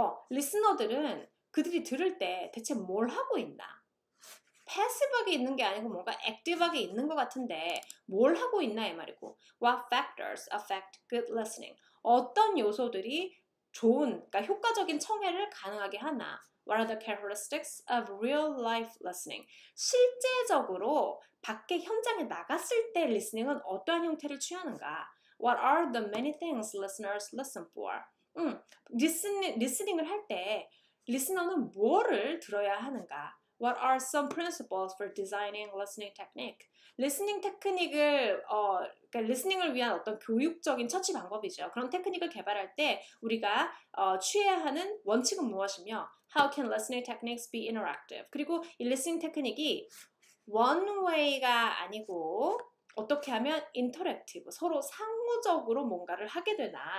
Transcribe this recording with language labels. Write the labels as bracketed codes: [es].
[ko] 리스너들은 그들이 들을 때 대체 뭘 하고 있나? 패시브하게 있는 게 아니고 뭔가 액티브하게 있는 것 같은데 뭘 하고 있나 이 말이고 [en] What factors affect good listening? [ko] 어떤 요소들이 좋은, 그러니까 효과적인 청해를 가능하게 하나? [en] What are the characteristics of real life listening? [ko] 실제적으로 밖에 현장에 나갔을 때 리스닝은 어떠한 형태를 취하는가? [en] What are the many things listeners listen for? [ko] 리스닝을 할때 리스너는 무엇을 들어야 하는가? [en] What are some principles for designing listening technique? [ko] Listening 테크닉을 그러니까 listening을 위한 어떤 교육적인 처치 방법이죠. 그런 테크닉을 개발할 때 우리가 취해야 하는 원칙은 무엇이며, [en] How can listening techniques be interactive? [ko] 그리고 이 listening 테크닉이 one way가 아니고 어떻게 하면 interactive, 서로 상호적으로 뭔가를 하게 되나?